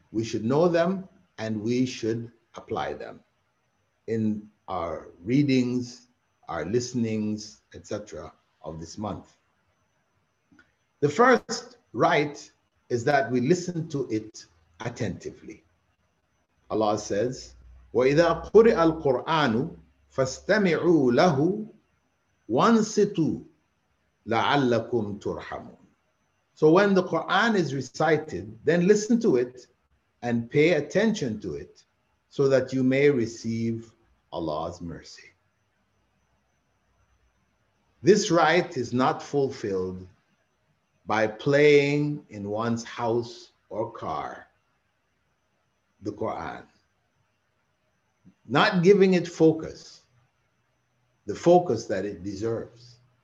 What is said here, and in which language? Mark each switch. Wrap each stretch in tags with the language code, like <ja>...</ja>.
<en>We should know them and we should apply them in our readings, our listenings, etc. of this month. The first right is that we listen to it attentively.</en> <ar>Allah says, وَإِذَا قُرِئَ الْقُرْآنُ فَاسْتَمِعُوا لَهُ وَانْصِتُوا لَعَلَّكُمْ تُرْحَمُونَ.</ar> <en>So when the Quran is recited, then listen to it and pay attention to it so that you may receive Allah's mercy. This right is not fulfilled by playing in one's house or car the Quran, not giving it focus, the focus that it deserves.</en>